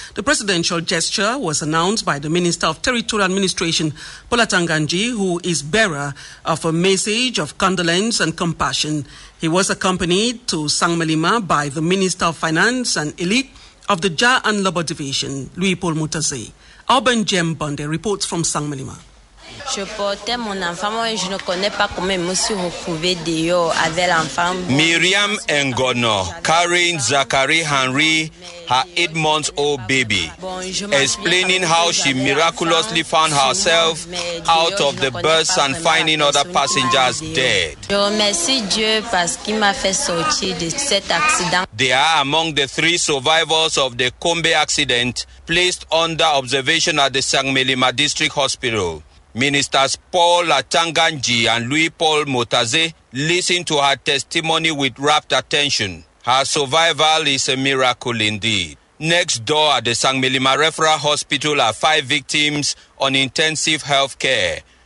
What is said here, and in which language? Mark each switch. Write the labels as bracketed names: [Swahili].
[English] The presidential gesture was announced by the Minister of Territorial Administration, Paul Atanganji, who is bearer of a message of condolence and compassion. He was accompanied to San Melima by the Minister of Finance and Elite of the Jar and Labor Division, Louis Paul Mutase. Alban Jem Bonde reports from San Melima. [French] Je portais mon enfant, moi je ne connais pas comment je me suis retrouvée dehors avec l'enfant. [English] Myriam Ngono, carrying Zachary Henry, her 8-month-old baby, explaining how she miraculously found herself out of the bus and finding other passengers dead. [French] Je remercie Dieu parce qu'il m'a fait sortir de cet accident. [English] They are among the three survivors of the Kombe accident placed under observation at the San Melima District Hospital. Ministers Paul Atanganji and Louis Paul Mutase listened to her testimony with rapt attention. Her survival is a miracle indeed. Next door at the San Melima Referral Hospital are five victims on intensive health care.